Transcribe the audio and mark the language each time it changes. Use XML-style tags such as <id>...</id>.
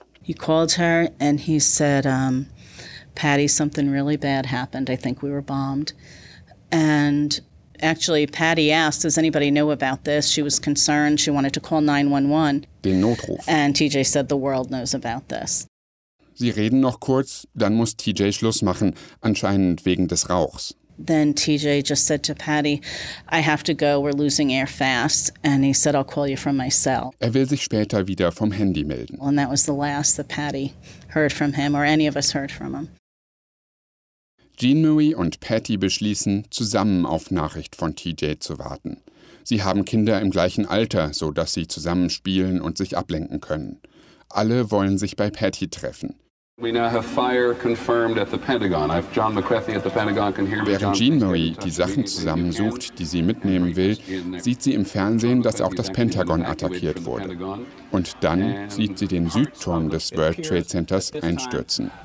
<en>He called her and he said, Patty, something really bad happened. I think we were bombed. And actually, Patty asked, does anybody know about this? She was concerned. She wanted to call 911.</en> <de>Den Notruf.</de> <en>And TJ said, the world knows about this.</en> <de>Sie reden noch kurz, dann muss TJ Schluss machen, anscheinend wegen des Rauchs.</de> <en>Then TJ just said to Patty, I have to go, we're losing air fast. And he said, I'll call you from my cell.</en> <de>Er will sich später wieder vom Handy melden.</de> <en>And that was the last that Patty heard from him or any of us heard from him.</en> <de>Jean Marie und Patty beschließen, zusammen auf Nachricht von TJ zu warten. Sie haben Kinder im gleichen Alter, sodass sie zusammen spielen und sich ablenken können. Alle wollen sich bei Patty treffen.</de> <en>We now have fire confirmed at the Pentagon. I've John McCarthy at the Pentagon can hear me.</en> <de>Während Jean Marie die Sachen zusammensucht, die sie mitnehmen will, sieht sie im Fernsehen, dass auch das Pentagon attackiert wurde. Und dann sieht sie den Südturm des World Trade Centers einstürzen.</de>